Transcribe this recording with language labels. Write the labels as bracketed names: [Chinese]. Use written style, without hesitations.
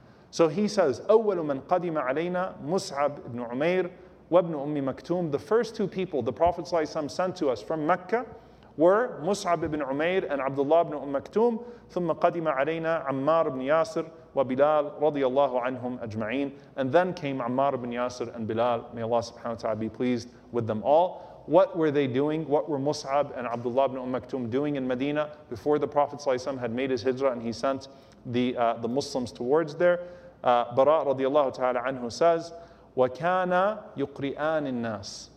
[English] So he says, [Arabic] أول من قدم علينا Mus'ab ibn Umayr وابن أمي مكتوم. [English] The first two people the Prophet ﷺ sent to us from Mecca were Mus'ab ibn Umayr and Abdullah ibn Umm Maktum. [Arabic] ثم قدم علينا عمار بن ياسر وبلال رضي الله عنهم أجمعين. [English] And then came Ammar ibn Yasir and Bilal. May Allah subhanahu wa ta'ala be pleased with them all. What were they doing? What were Mus'ab and Abdullah ibn Umm Maktum doing in Medina before the Prophet ﷺ had made his hijrah and he sent the Muslims towards there? [Arabic] Bara' radiallahu ta'ala anhu [English] says, [Arabic] وَكَانَ يُقْرِئَانِ النَّاسِ.